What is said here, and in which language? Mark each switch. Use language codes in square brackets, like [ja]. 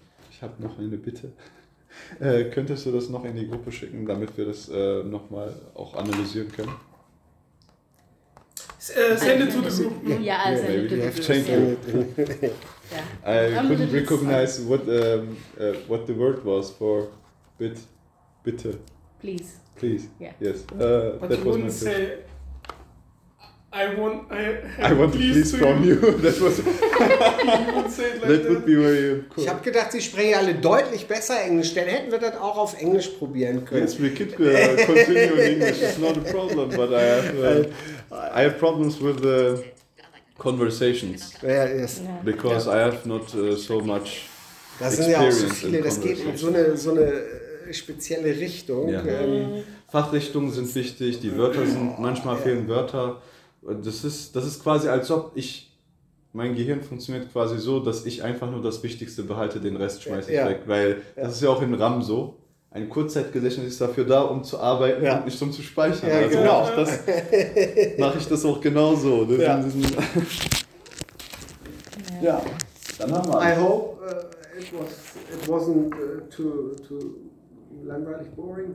[de] Ich habe noch eine Bitte. Könntest du das noch in die Gruppe schicken, damit wir das nochmal auch analysieren können? [en] Send it to the group. Yeah. I couldn't recognize what the word was for bitte. Please. Yeah. Yes. But that you was wouldn't my say. I want please, please from you. That was. That would be very cool. [de] Ich habe gedacht, Sie sprechen alle deutlich besser Englisch. Dann hätten wir das auch auf Englisch probieren können. [en] Yes, we could continue in English. It's not a problem, but I have problems with the conversations. Yeah, yes. Because I have not so much. [de] Das sind ja auch so viele. Das geht in so eine spezielle Richtung. [en] Yeah. [de] Fachrichtungen sind wichtig. Die Wörter sind manchmal fehlen Wörter. Das ist quasi, als ob ich, mein Gehirn funktioniert quasi so, dass ich einfach nur das Wichtigste behalte, den Rest schmeiße ich weg. Weil das ist ja auch in RAM so. Ein Kurzzeitgedächtnis ist dafür da, um zu arbeiten und nicht um zu speichern. Ja, also genau. Mache ich das auch genauso. Ja. Ja, dann haben wir. [en] I hope it wasn't too [de] langweilig, [en] boring.